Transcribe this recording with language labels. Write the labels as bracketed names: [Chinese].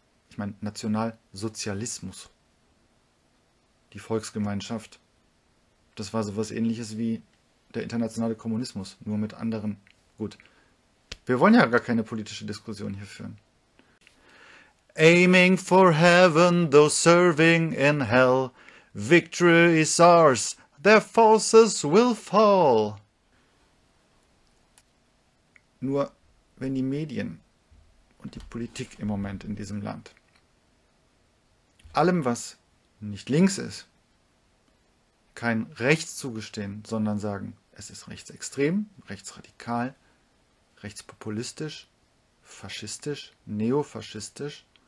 [German] Ich meine, Nationalsozialismus, die Volksgemeinschaft, das war sowas Ähnliches wie der internationale Kommunismus, nur mit anderen. Gut, wir wollen ja gar keine politische Diskussion hier führen. [English] Aiming for heaven, though serving in hell, victory is ours, their forces will fall. [German] Nur wenn die Medien und die Politik im Moment in diesem Land allem, was nicht links ist, kein Rechts zugestehen, sondern sagen, es ist rechtsextrem, rechtsradikal, rechtspopulistisch, faschistisch, neofaschistisch.